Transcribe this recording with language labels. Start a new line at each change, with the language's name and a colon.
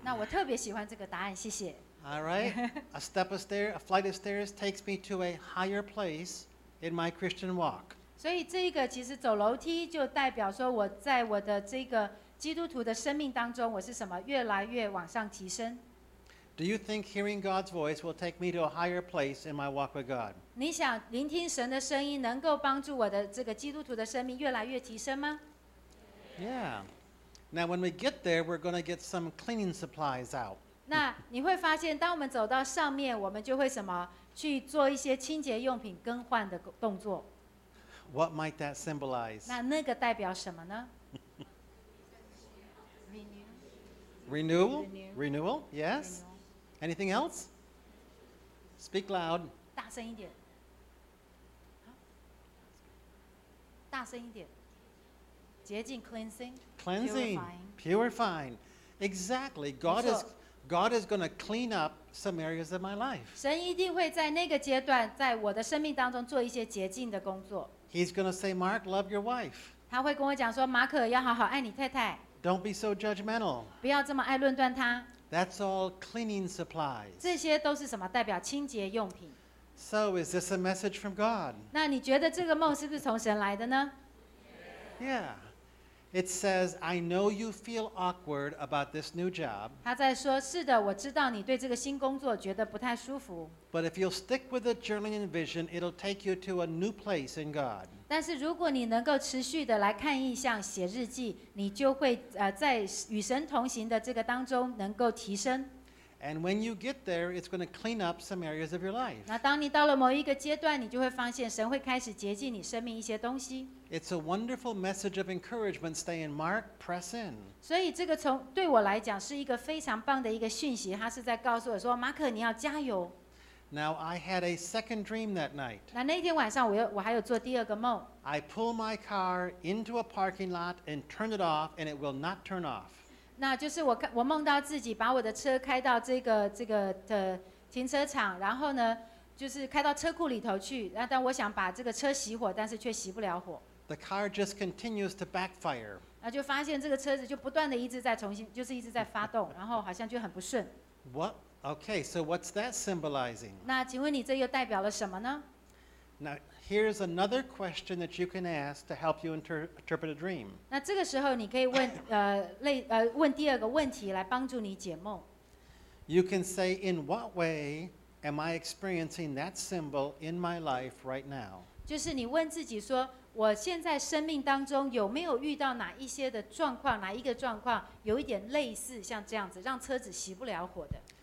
Chinese: 那我特别喜欢这个答案，谢谢.
English: All right. A flight of stairs takes me to a higher place in my Christian walk.
Chinese: 所以这个其实走楼梯就代表说我在我的这个基督徒的生命当中我是什么越来越往上提升。
English: Do you think hearing God's voice will take me to a higher place in my walk with God?
Chinese: 你想聆听神的声音能够帮助我的这个基督徒的生命越来越提升吗？
English: Yeah. Now when we get there, we're going to get some cleaning supplies out.
Chinese: 那你会发现当我们走到上面我们就会什么去做一些清洁用品更换的动作。
English: What might that symbolize?
Chinese: 那个代表什么呢？
English: Renewal? Renewal? Yes. Renewal. Anything else? Speak loud.
Chinese: 大声一点。大声一点。洁净 cleansing?
English: Cleansing. Purifying. Exactly. God is going to clean up some areas of my life.
Chinese: 神一定会在那个阶段在我的生命当中做一些洁净的工作。
English: He's going to say, Mark, love your wife.
Chinese: 他会跟我讲说，马可要好好爱你太太。
English: Don't be so judgmental.
Chinese: 不要这么爱论断他。
English: That's all cleaning supplies.
Chinese: 这些都是什么？代表清洁用品。
English: So is this a message from God?
Chinese: 那你觉得这个梦是不是从神来的呢？
English: Yeah. It says, I know you feel awkward about this new job.
Chinese: 他在说，是的，我知道你对这个新工作觉得不太舒服。
English: But if you'll stick with the journaling and vision, it'll take you to a new place in God.
Chinese: 但是如果你能够持续的来看异象、写日记，你就会在与神同行的这个当中能够提升。
English: And when you get there, it's going to clean up some areas of your life.
Chinese: 那当你到了某一个阶段，你就会发现神会开始洁净你生命一些东西。
English: It's a wonderful message of encouragement. Stay in Mark, press in.
Chinese: 所以这个从对我来讲是一个非常棒的一个讯息，它是在告诉我说，马可你要加油。
English: Now I had a second dream that night.
Chinese: 那天晚上我还有做第二个梦。
English: I pull my car into a parking lot and turn it off, and it will not turn off.
Chinese: 那就是我梦到自己把我的车开到这个的停车场，然后呢，就是开到车库里头去。但我想把这个车熄火，但是却熄不了火。
English: The car just continues to backfire.
Chinese: 那就发现这个车子就不断的一直在重新，就是一直在发动，然后好像就很不顺。
English: What? Okay, so what's that symbolizing?
Chinese: 那请问你这又代表了什么呢？
English: Now, here's another question that you can ask to help you interpret a dream.
Chinese: 那这个时候你可以问问第二个问题来帮助你解梦。
English: You can say, in what way am I experiencing that symbol in my life right now?
Chinese: 就是你问自己说，我现在生命当中有没有遇到哪一些的状况，哪一个状况有一点类似像这样子，让车子熄不了火的。